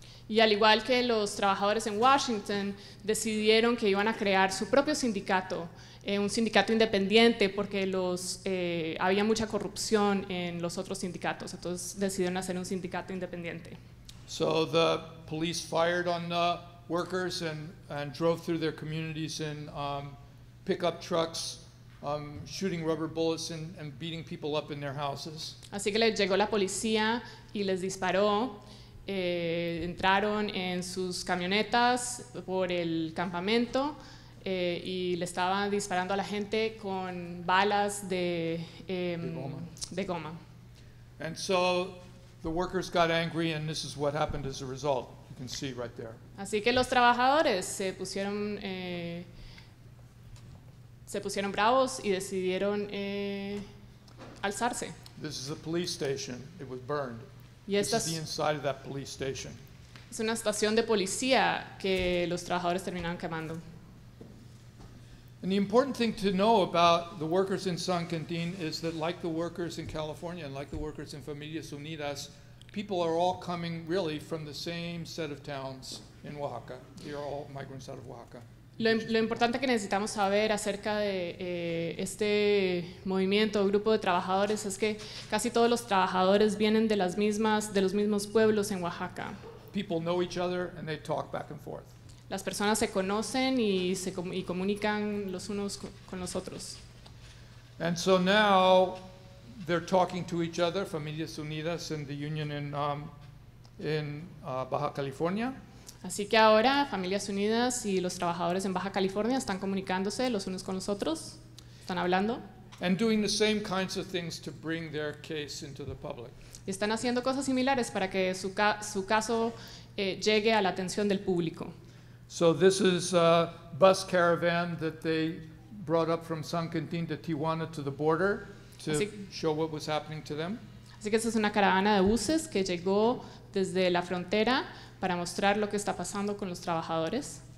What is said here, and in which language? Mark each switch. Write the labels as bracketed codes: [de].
[es] Y al igual que los trabajadores en Washington, decidieron que iban a crear su propio sindicato, un sindicato independiente, porque había mucha corrupción en los otros sindicatos. Entonces decidieron hacer un sindicato independiente. [en] So the police fired on the workers and drove through their communities in pickup trucks, shooting rubber bullets and beating people up in their houses. [es] Así que les llegó la policía y les disparó. Entraron en sus camionetas por el campamento y le estaban disparando a la gente con balas de goma. [en] And so the workers got angry, and this is what happened as a result. You can see right there. [es] Así que los trabajadores se pusieron bravos y decidieron alzarse. [en] This is a police station. It was burned. This is the inside of that police station. [es] Es una estación de policía que los trabajadores terminaron quemando. [en] And the important thing to know about the workers in San Quintín is that, like the workers in California and like the workers in Familias Unidas, people are all coming really from the same set of towns in Oaxaca. They are all migrants out of Oaxaca. [es] Lo importante que necesitamos saber acerca de este movimiento o grupo de trabajadores es que casi todos los trabajadores vienen de las mismas, de los mismos pueblos en Oaxaca. [en] People know each other and they talk back and forth. [es] Las personas se conocen y se comunican los unos con los otros. [en] And so now they're talking to each other, Familias Unidas and the union in Baja California. [es] Así que ahora Familias Unidas y los trabajadores en Baja California están comunicándose los unos con los otros, están hablando. [en] And doing the same kinds of things to bring their case into the public. [es] Y están haciendo cosas similares para que su caso llegue a la atención del público. [en] So this is a bus caravan that they brought up from San Quintín to Tijuana to the border to show what was happening to them. [es] Así que esa es una caravana de buses que llegó desde la frontera para mostrar lo que está pasando con los trabajadores.